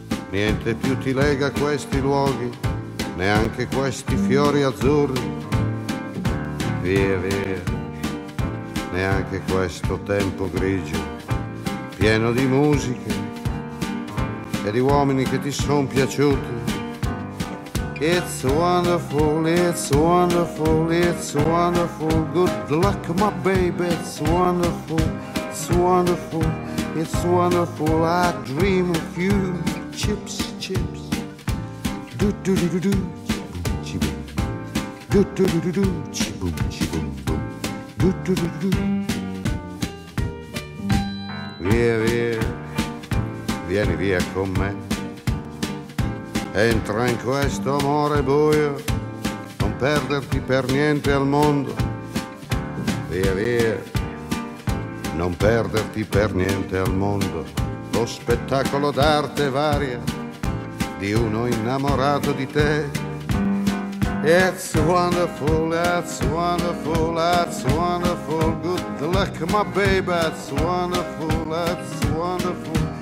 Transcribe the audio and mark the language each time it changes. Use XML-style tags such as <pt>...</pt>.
<it>Niente più ti lega questi luoghi, neanche questi fiori azzurri. Via, via, neanche questo tempo grigio, pieno di musiche e di uomini che ti son piaciuti.</it> <en>It's wonderful, it's wonderful, it's wonderful. Good luck, my baby, it's wonderful, it's wonderful, it's wonderful. I dream of you, chips, chips. Do-do-do-do-do, chibum-chibum. Do-do-do-do-do, chibum-chibum-bum.</en> <it>Do-do-do-do-do. Via, via, vieni via con me. Entra in questo amore buio, non perderti per niente al mondo. Via, via, non perderti per niente al mondo. Lo spettacolo d'arte varia di uno innamorato di te.</it> <en>It's wonderful, that's wonderful, that's wonderful. Good luck, my baby, that's wonderful, it's wonderful.</en>